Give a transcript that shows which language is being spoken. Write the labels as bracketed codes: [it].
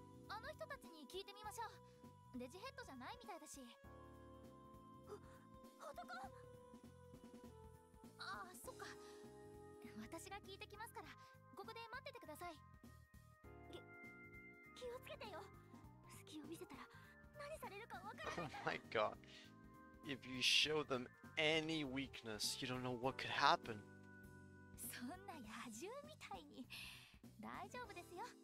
[ja] あの人たちに聞いてみましょう。デジヘッドじゃないみたいだし。男？ああ、そっか。私が聞いてきますから、ここで待っててください。気をつけてよ。隙を見せたら何されるか分からない。 [en] Oh my god. If you show them any weakness, you don't know what could happen. [ja] そんな野獣みたいに。大丈夫ですよ。